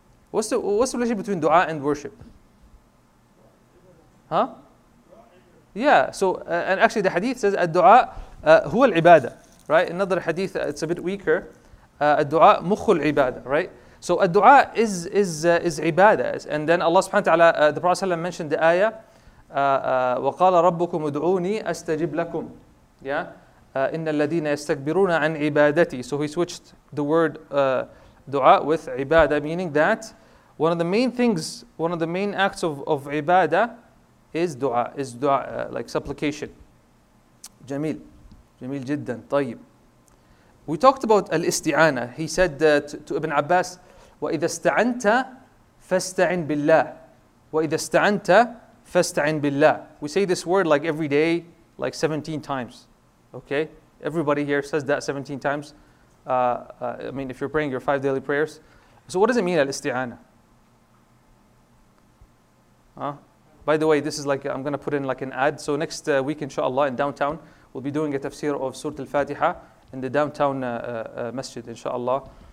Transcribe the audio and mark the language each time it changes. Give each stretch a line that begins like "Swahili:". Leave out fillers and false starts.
English: What's the relationship between dua and worship? And actually the hadith says,
Arabic: الدُعَاء هو العبادة,
English: right? Another hadith, it's a bit weaker.
Arabic: الدُعَاء مُخُّ الْعِبَادَة, right?
English: So الدُعَاء is عِبَادَة. And then Allah subhanahu wa ta'ala, the Prophet ﷺ mentioned the ayah,
Arabic: وَقَالَ رَبُّكُمْ ادْعُونِي أَسْتَجِبْ لَكُمْ. إن الذين يستكبرون عن عبادتي.
English: So he switched the word dua with ibadah, meaning that one of the main things, one of the main acts of ibadah is dua, like supplication. Jameel jiddan. طيب. We talked about al-isti'ana. He said to Ibn Abbas,
Arabic: وَإِذَا اسْتَعَنْتَ فَاسْتَعِنْ بِاللَّهِ وَإِذَا اسْتَعَنْتَ فَاسْتَعِنْ بِاللَّهِ.
English: We say this word like every day, like 17 times. Okay, everybody here says that 17 times. If you're praying your 5 daily prayers. So what does it mean, al-isti'ana? By the way, this is like, I'm going to put in like an ad. So next week, inshallah, in downtown, we'll be doing a tafsir of Surah Al-Fatiha in the downtown masjid, inshallah.